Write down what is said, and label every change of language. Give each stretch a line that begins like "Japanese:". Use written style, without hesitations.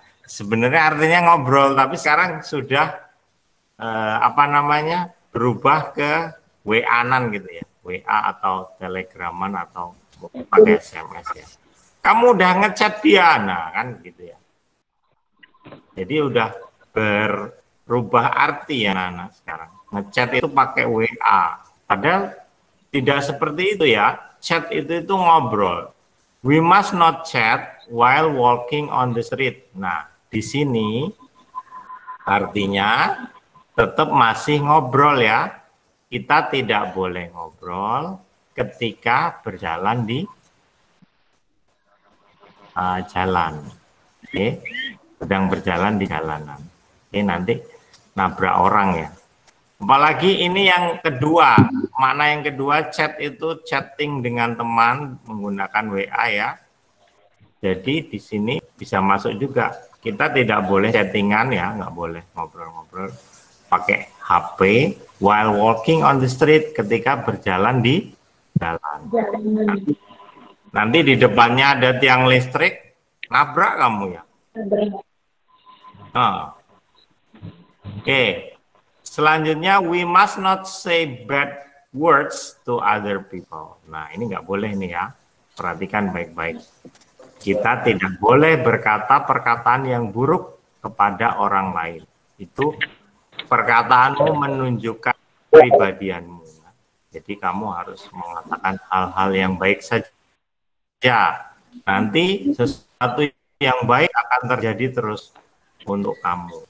Indonesian: Sebenarnya artinya ngobrol, tapi sekarang sudah apa namanya berubah ke WA-an gitu ya, WA atau Telegraman atau pakai SMS ya. Kamu udah ngechat Diana kan gitu ya. Jadi udah berubah arti ya Nana sekarang. Ngechat itu pakai WA. Padahal tidak seperti itu ya. Chat itu ngobrol.
English: We must not chat while walking on the street.
Indonesian: Nah, di sini artinya tetap masih ngobrol ya. Kita tidak boleh ngobrol ketika berjalan di jalan, oke? Sedang berjalan di jalanan, oke? Nanti nabrak orang ya. Apalagi ini yang kedua, mana yang kedua? Chat itu chatting dengan teman menggunakan WA ya. Jadi di sini bisa masuk juga. Kita tidak boleh chattingan ya, nggak boleh ngobrol-ngobrol pakai HP
English: while walking on the street,
Indonesian: ketika berjalan di jalan. Nanti di depannya ada tiang listrik, nabrak kamu ya. Nabrak. Oh. Oke. Selanjutnya,
English: we must not say bad words to other people.
Indonesian: Nah, ini nggak boleh nih ya. Perhatikan baik-baik. Kita tidak boleh berkata perkataan yang buruk kepada orang lain. Itu perkataanmu menunjukkan pribadianmu. Jadi kamu harus mengatakan hal-hal yang baik saja. Ya, nanti sesuatu yang baik akan terjadi terus untuk kamu.